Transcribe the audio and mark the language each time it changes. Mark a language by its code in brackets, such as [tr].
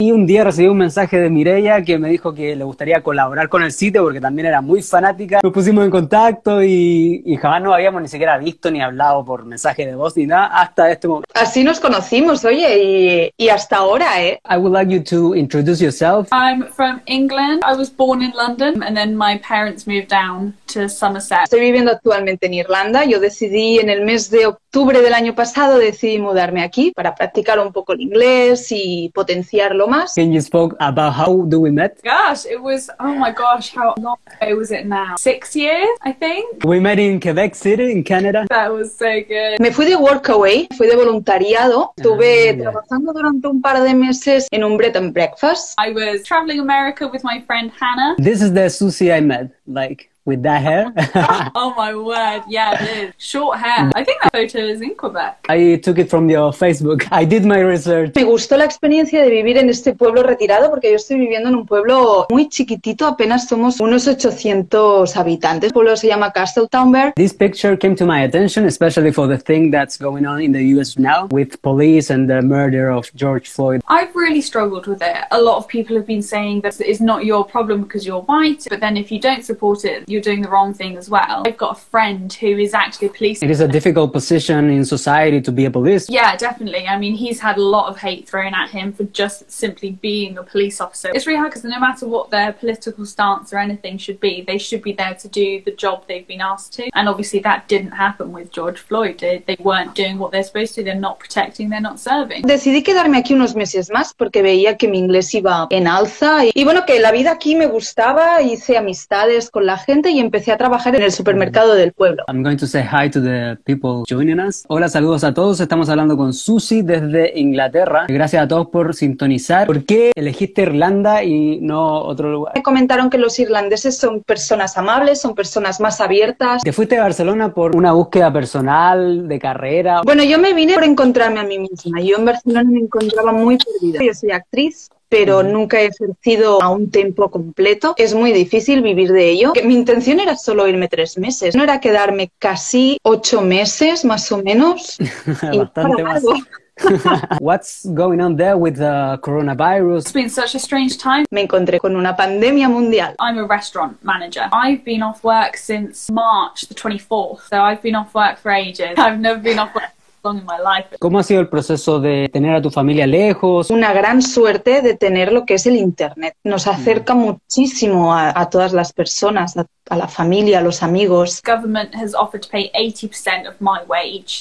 [es] Y un día recibí un mensaje de Mireia que me dijo que le gustaría colaborar con el sitio porque también era muy fanática. Nos pusimos en contacto y jamás nos habíamos ni siquiera visto ni hablado por mensaje de voz ni nada hasta este momento. Así nos conocimos, oye, y hasta ahora, ¿eh? [en] I would like you to introduce yourself. I'm from England. I was born in London and then my parents moved down to Somerset. [es] Estoy viviendo actualmente en Irlanda. Yo decidí en el mes de octubre del año pasado, decidí mudarme aquí para practicar un poco el inglés y potenciarlo más. [en] Can you speak about how do we met? Gosh, it was, oh my gosh, how long ago was it now? 6 years, I think. We met in Quebec City, in Canada. That was so good. [es] Me fui de Workaway, fui de voluntariado. Estuve trabajando durante un par de meses en un bed and breakfast. [en] I was traveling America with my friend Hannah. This is the Susie I met, like, with that hair. Oh my word, yeah, it is. Short hair. I think that photo is in Quebec. I took it from your Facebook. I did my research. [es] Me gustó la experiencia de vivir en este pueblo retirado porque yo estoy viviendo en un pueblo muy chiquitito, apenas somos unos 800 habitantes. El pueblo se llama Castletown Bear. [en] This picture came to my attention, especially for the thing that's going on in the US now with police and the murder of George Floyd. I've really struggled with it. A lot of people have been saying that it's not your problem because you're white, but then if you don't support it, you're doing the wrong thing as well. I've got a friend who is actually a policeman. It is a difficult position in society to be a police. Yeah, definitely. I mean, he's had a lot of hate thrown at him for just simply being a police officer. It's really hard because no matter what their political stance or anything should be, they should be there to do the job they've been asked to. And obviously that didn't happen with George Floyd. They weren't doing what they're supposed to. They're not protecting, they're not serving. [es] Decidí quedarme aquí unos meses más porque veía que mi inglés iba en alza y bueno, que la vida aquí me gustaba. Hice amistades con la gente y empecé a trabajar en el supermercado del pueblo. [en] I'm going to say hi to the people joining us. [es] Hola, saludos a todos. Estamos hablando con Susie desde Inglaterra. Gracias a todos por sintonizar. ¿Por qué elegiste Irlanda y no otro lugar? Me comentaron que los irlandeses son personas amables, son personas más abiertas. ¿Te fuiste a Barcelona por una búsqueda personal, de carrera? Bueno, yo me vine por encontrarme a mí misma. Yo en Barcelona me encontraba muy perdida. Yo soy actriz, pero nunca he ejercido a un tiempo completo. Es muy difícil vivir de ello. Mi intención era solo irme 3 meses. No era quedarme casi 8 meses, más o menos. Bastante más. [en] What's going on there with the coronavirus? It's been such a strange time. [es] Me encontré con una pandemia mundial. [en] I'm a restaurant manager. I've been off work since March the 24th. So I've been off work for ages. I've never been off work. [es] ¿Cómo ha sido el proceso de tener a tu familia lejos? Una gran suerte de tener lo que es el internet. Nos acerca muchísimo a todas las personas, a la familia, a los amigos. [en] The government has offered to pay 80% of my wage.